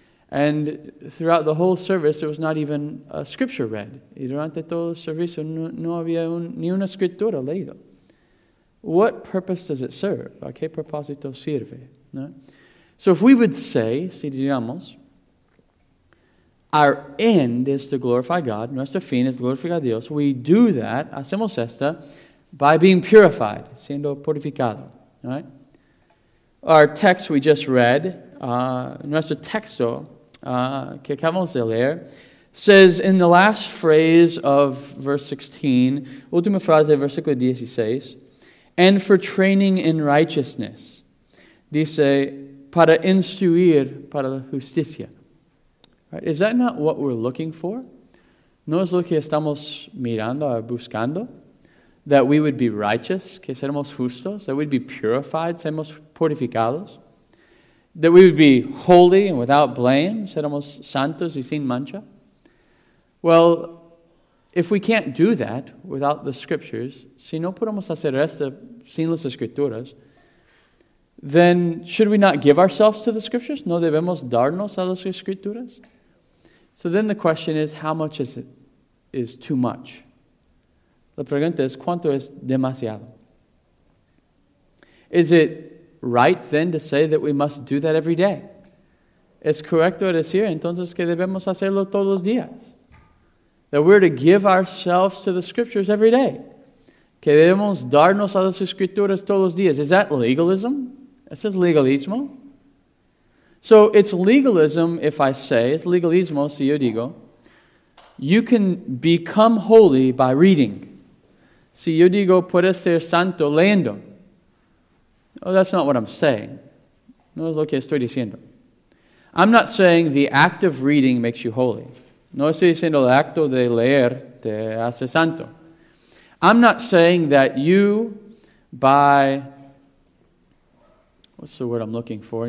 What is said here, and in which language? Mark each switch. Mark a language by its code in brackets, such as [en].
[en] And throughout the whole service, there was not even a scripture read. [es] Y durante todo el servicio, no había ni una escritura leída. [en] What purpose does it serve? [es] ¿A qué propósito sirve? ¿No? [en] So if we would say, [es] si digamos, [en] our end is to glorify God, [es] nuestro fin es glorificar a Dios, [en] we do that, [es] hacemos esta, [en] by being purified, [es] siendo purificado. [en] Right? Our text we just read, [es] nuestro texto que acabamos de leer, [en] says in the last phrase of verse 16, [es] última frase de versículo 16, [en] and for training in righteousness, [es] dice, para instruir para la justicia. [en] Right? Is that not what we're looking for? [es] ¿No es lo que estamos mirando o buscando? [en] That we would be righteous, [es] que seremos justos, [en] that we'd be purified, [es] seremos purificados, [en] that we would be holy and without blame, [es] seremos santos y sin mancha. [en] Well, if we can't do that without the scriptures, [es] si no podemos hacer esto sin las escrituras, [en] then should we not give ourselves to the scriptures? [es] ¿No debemos darnos a las escrituras? [en] So then the question is, how much is too much? [es] La pregunta es, ¿cuánto es demasiado? [en] Is it right then to say that we must do that every day? [es] ¿Es correcto decir entonces que debemos hacerlo todos los días? [en] That we're to give ourselves to the scriptures every day. [es] Que debemos darnos a las escrituras todos los días. [en] Is that legalism? It says legalismo. So it's legalism if I say, it's [es] legalismo si yo digo, [en] you can become holy by reading. [es] Si yo digo, puedes ser santo leyendo. [en] Oh, that's not what I'm saying. [es] No es lo que estoy diciendo. [en] I'm not saying the act of reading makes you holy. [es] No estoy diciendo el acto de leer te hace santo. [en] I'm not saying that you, by... What's the word I'm looking for?